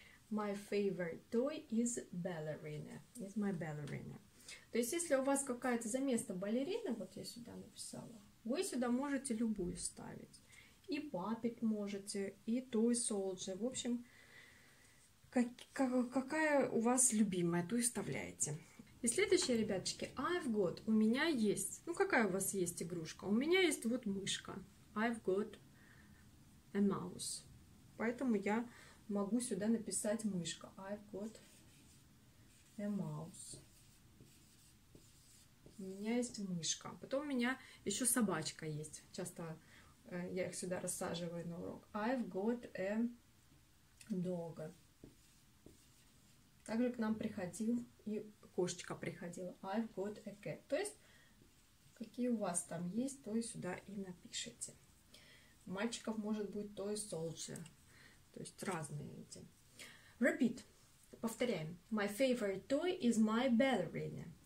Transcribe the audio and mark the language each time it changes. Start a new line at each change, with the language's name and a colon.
English: My favorite toy is ballerina. It's my ballerina.
Russian: То есть, если у вас какая-то заместо балерина, вот я сюда написала, вы сюда можете любую ставить. И папик можете, и той солдже. В общем, какая у вас любимая, ту и вставляете. И следующее, ребяточки.
English: I've got.
Russian: У меня есть. Ну, какая у вас есть игрушка? У меня есть вот мышка.
English: I've got a mouse.
Russian: Поэтому я могу сюда написать мышка.
English: I've got a mouse.
Russian: У меня есть мышка. Потом у меня еще собачка есть. Часто... Я их сюда рассаживаю на урок.
English: I've got a dog.
Russian: Также к нам приходил и кошечка приходила.
English: I've got a cat.
Russian: То есть, какие у вас там есть, то и сюда и напишите. У мальчиков может быть toy soldier. То есть, разные эти.
English: Repeat.
Russian: Повторяем.
English: My favorite toy is my ballerina.